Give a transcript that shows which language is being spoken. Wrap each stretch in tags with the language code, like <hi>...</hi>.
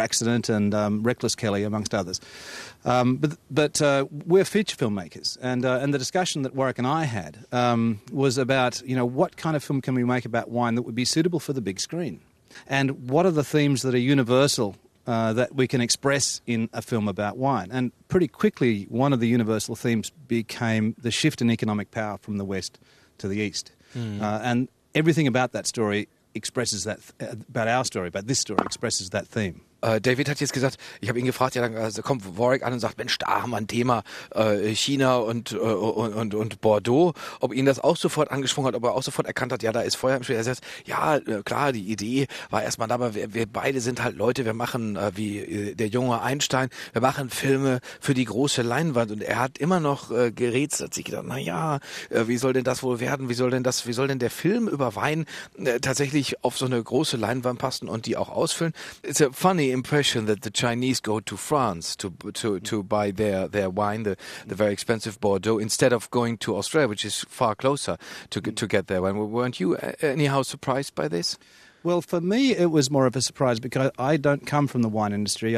<en>Accident and Reckless Kelly, amongst others. But we're feature filmmakers, and the discussion that Warwick and I had was about, you know, what kind of film can we make about wine that would be suitable for the big screen, and what are the themes that are universal that we can express in a film about wine. And pretty quickly, one of the universal themes became the shift in economic power from the West to the East. Mm. And everything about that story expresses that, about our story, about this story, expresses that theme.</en> <de>David hat jetzt gesagt, ich habe ihn gefragt, ja, dann kommt Warwick an und sagt, Mensch, da haben wir ein Thema, China und Bordeaux, ob ihn das auch sofort angesprochen hat, ob er auch sofort erkannt hat, ja, da ist Feuer im Spiel. Er sagt, ja, klar, die Idee war erstmal da, aber wir beide sind halt Leute, wir machen, wie der junge Einstein, wir machen Filme für die große Leinwand, und er hat immer noch gerätselt, hat sich gedacht, naja, wie soll denn das wohl werden, wie soll denn der Film über Wein tatsächlich auf so eine große Leinwand passen und die auch ausfüllen.</de> <en>It's a funny impression that the Chinese go to France to buy their wine, the very expensive Bordeaux, instead of going to Australia, which is far closer to get their wine. Weren't you anyhow surprised by this? Well, for me, it was more of a surprise because I don't come from the wine industry.</en>